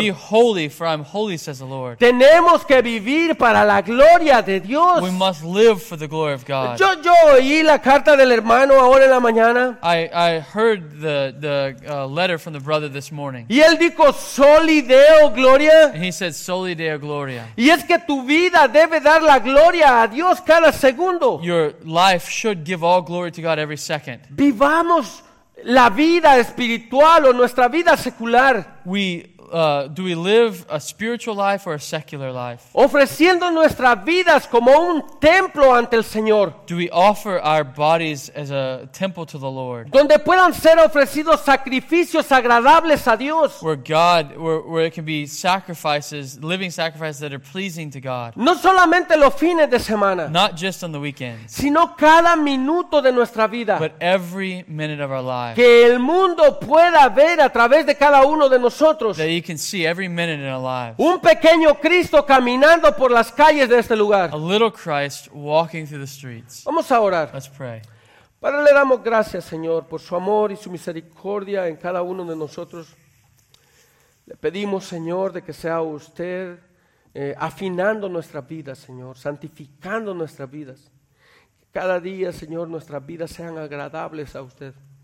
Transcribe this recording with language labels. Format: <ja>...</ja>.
<en>Be holy, for I'm holy, says the Lord.</en> <es>Tenemos que vivir para la gloria de Dios.</es> <en>We must live for the glory of God.</en> <es>Yo oí la carta del hermano ahora en la mañana.</es> <en>I heard the letter from the brother this morning.</en> <es>Y él dijo, Soli Deo Gloria.</es> <en>And he said, Soli Deo Gloria.</en> <es>Y es que tu vida debe dar la gloria a Dios cada segundo.</es> <en>Your life should give all glory to God every second.</en> <es>Vivamos la vida espiritual o nuestra vida secular.</es> <en>Do we live a spiritual life or a secular life?</en> <es>Ofreciendo nuestras vidas como un templo ante el Señor.</es> <en>Do we offer our bodies as a temple to the Lord?</en> <es>Donde puedan ser ofrecidos sacrificios agradables a Dios.</es> <en>Where it can be sacrifices, living sacrifices that are pleasing to God.</en> <es>No solamente los fines de semana.</es> <en>Not just on the weekends.</en> <es>Sino cada minuto de nuestra vida.</es> <en>But every minute of our life.</en> <es>Que el mundo pueda ver a través de cada uno de nosotros.</es> <en>That you can see every minute in our lives.</en> <es>Un pequeño Cristo caminando por las calles de este lugar.</es> <en>A little Christ walking through the streets.</en> <es>Vamos a orar.</es> <en>Let's pray.</en> <es>Padre, le damos gracias, Señor, por su amor y su misericordia en cada uno de nosotros. Le pedimos, Señor, de que sea usted afinando nuestras vidas, Señor, santificando nuestras vidas. Que cada día, Señor, nuestras vidas sean agradables a usted.</es>